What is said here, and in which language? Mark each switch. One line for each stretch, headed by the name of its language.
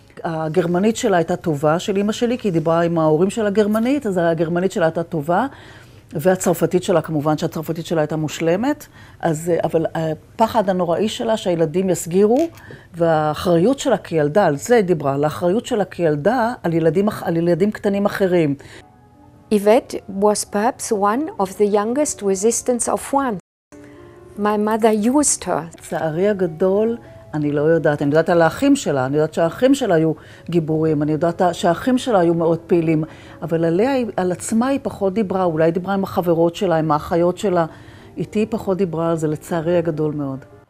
Hebrew: הגרמנית שלה הייתה טובה, של אמא שלי, כי היא דיברה עם ההורים של הגרמנית, אז הגרמנית שלה הייתה טובה, והצרפתית שלה, כמובן שהצרפתית שלה הייתה מושלמת, אז, אבל הפחד הנוראי שלה שהילדים יסגירו, והאחריות שלה כילדה, על זה היא דיברה, לאחריות שלה כילדה על ילדים, על ילדים קטנים אחרים.
English: Yvette was perhaps one of the youngest resistance of France. My mother used her.
Hebrew: צערי הגדול, אני לא יודעת, אני יודעת על האחים שלה, אני יודעת שהאחים שלה היו גיבורים, אני יודעת שהאחים שלה היו מאוד פעילים, אבל עליה, על עצמה היא פחות דיברה, אולי היא דיברה עם החברות שלה, עם האחיות שלה, איתי היא פחות דיברה על זה, לצערי הגדול מאוד.